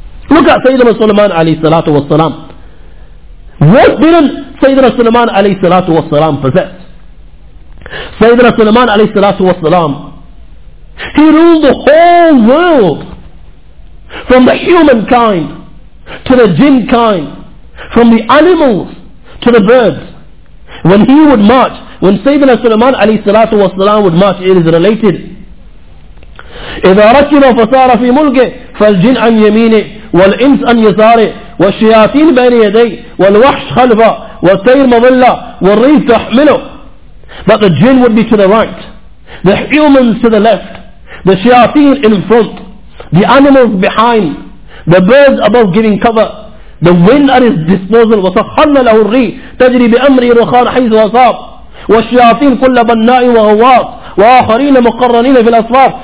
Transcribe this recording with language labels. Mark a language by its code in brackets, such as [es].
[en] Look at Sayyidina Sulaiman alayhi salatu wa salam. What didn't Sayyidina Sulaiman alayhi salatu wa salam possess? Sayyidina Sulaiman alayhi salatu wa salam, he ruled the whole world, from the humankind to the jinn kind, from the animals to the birds. When he would march, when Sayyidina Sulaiman alayhi salatu wa salam would march, it is related, [ar] إذا ركب فصار في ملكه فالجن عن يمينه والإنس عن يساره والشياطين بين يديه والوحش خلفه والطير مظلة والريح تحمله. [en] But the jinn would be to the right, the humans to the left, the shayateen in front, the animals behind, the birds above giving cover, the wind at his disposal. [ar] وَسَخَّرْنَا لَهُ الرِّيحَ تَجْرِي بِأَمْرِهِ رُخَاءً حَيْثُ أَصَابَ وَالشَّيَاطِينَ كُلَّ بَنَّاءٍ وَغَوَّاصٍ وَآخَرِينَ مُقَرَّنِينَ فِي الْأَصْفَافِ.